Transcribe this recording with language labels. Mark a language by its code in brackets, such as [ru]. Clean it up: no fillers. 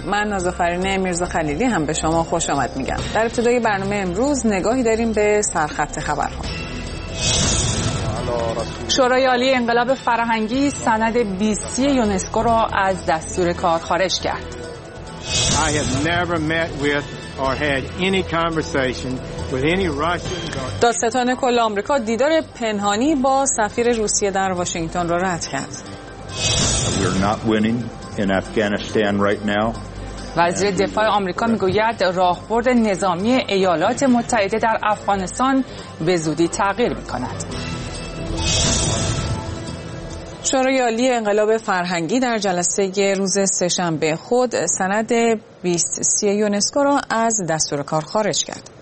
[fa] من نازآفرین میرزا خلیلی هم به شما خوش آمد میگم. در ابتدای برنامه امروز نگاهی داریم به سرخط خبرها. شورای عالی انقلاب فرهنگی سند BC یونسکو را از دستور کار خارج کرد. [en] I have never met with or had any conversation with any Russian guard. [fa] دادستان کل آمریکا دیدار پنهانی با سفیر روسیه در واشنگتن را رد کرد. [en] We are not winning in Afghanistan right now. [fa] وزیر دفاع آمریکا میگوید راهبرد نظامی ایالات متحده در افغانستان به زودی تغییر میکند. شورای عالی انقلاب فرهنگی در جلسه روز سه‌شنبه خود سند 2030 یونسکو را از دستور کار خارج کرد.